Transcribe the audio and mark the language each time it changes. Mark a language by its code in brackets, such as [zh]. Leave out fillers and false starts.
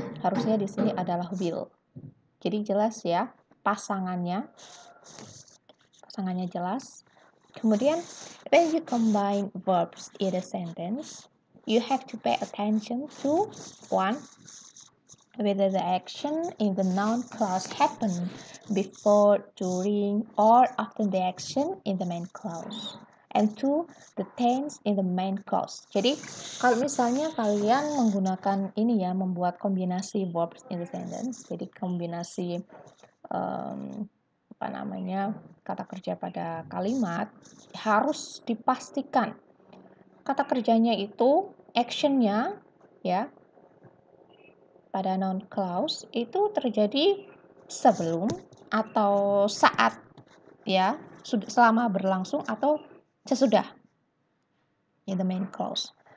[id] Harusnya di sini adalah will. Jadi jelas ya pasangannya. Pasangannya jelas. Kemudian [en] when you combine verbs in a sentence, you have to pay attention to one, whether the action in the noun clause happened before, during, or after the action in the main clause, and two, the tense in the main clause. [id] Jadi kalau misalnya kalian menggunakan ini ya, membuat kombinasi [en] verbs in the sentence, [id] jadi kombinasi apa namanya, kata kerja pada kalimat, harus dipastikan kata kerjanya itu, actionnya ya pada noun clause itu terjadi sebelum atau saat ya, selama berlangsung atau sesudah [en] in the main clause.